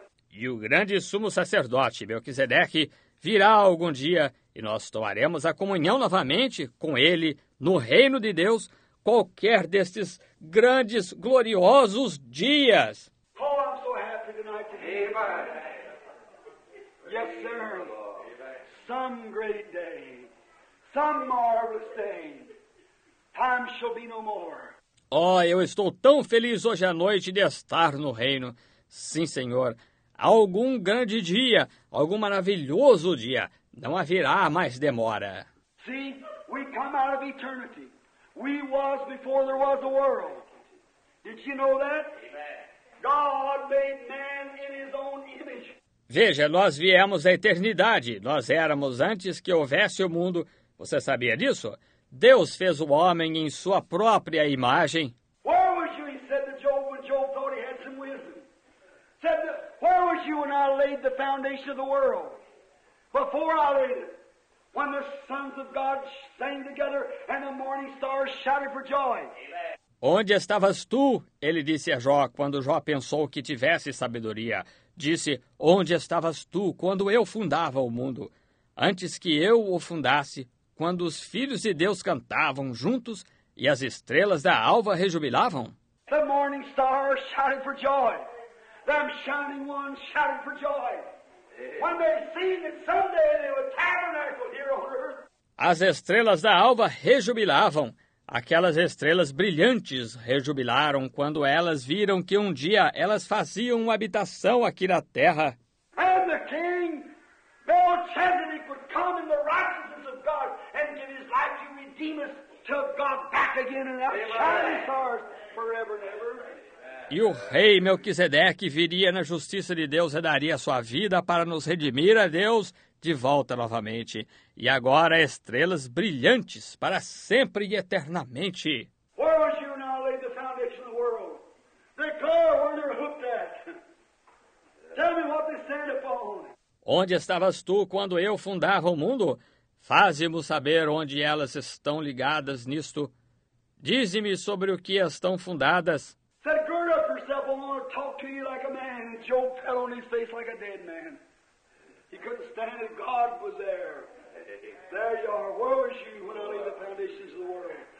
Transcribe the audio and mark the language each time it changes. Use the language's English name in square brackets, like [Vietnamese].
[Portuguese] E o grande sumo sacerdote Melquisedeque virá algum dia e nós tomaremos a comunhão novamente com ele no reino de Deus qualquer destes grandes, gloriosos dias. [English] Oh, I'm so happy tonight to be here. Yes, sir. Some great day, some marvelous day. Time shall be no more. [Portuguese] Oh, eu estou tão feliz hoje à noite de estar no reino. Sim, Senhor. Algum grande dia, algum maravilhoso dia, não haverá mais demora. [English] See, we come out of eternity. We was before there was a world. Did you know that? God made man in his own image. [Portuguese] Veja, nós viemos da eternidade. Nós éramos antes que houvesse o mundo. Você sabia disso? Deus fez o homem em sua própria imagem. [English] Where was you, he said to Job, when Job thought he had some wisdom? Said, where was you when I laid the foundation of the world? Before I laid it, when the sons of God sang together and the morning stars shouted for joy. [Portuguese] Onde estavas tu? Ele disse a Jó, quando Jó pensou que tivesse sabedoria. Disse, onde estavas tu quando eu fundava o mundo? Antes que eu o fundasse, quando os filhos de Deus cantavam juntos e as estrelas da alva rejubilavam? [English] The morning stars shouted for joy. Them shining ones shouted for joy. When they seen that someday they would tabernacle here on earth. [Portuguese] As estrelas da alva rejubilavam. Aquelas estrelas brilhantes rejubilaram quando elas viram que um dia elas faziam uma habitação aqui na terra. [English] And the king, Melchizedek, would come in the righteousness of God and give his life to redeem us to God back again in that shining stars forever and ever. [Portuguese] E o rei Melquisedeque viria na justiça de Deus e daria sua vida para nos redimir a Deus de volta novamente. E agora estrelas brilhantes para sempre e eternamente. [English] Where was you when I laid the foundation of the world? The car where they're hooked at. Tell me what they stand upon. [Portuguese] Onde estavas tu quando eu fundava o mundo? Faze-me saber onde elas estão ligadas nisto. Dize-me sobre o que estão fundadas. [English] Said, gird up yourself, I want to talk to you like a man. And Job fell on his face like a dead man. He couldn't stand it. God was there. There you are. Where was you when I laid the foundations of the world?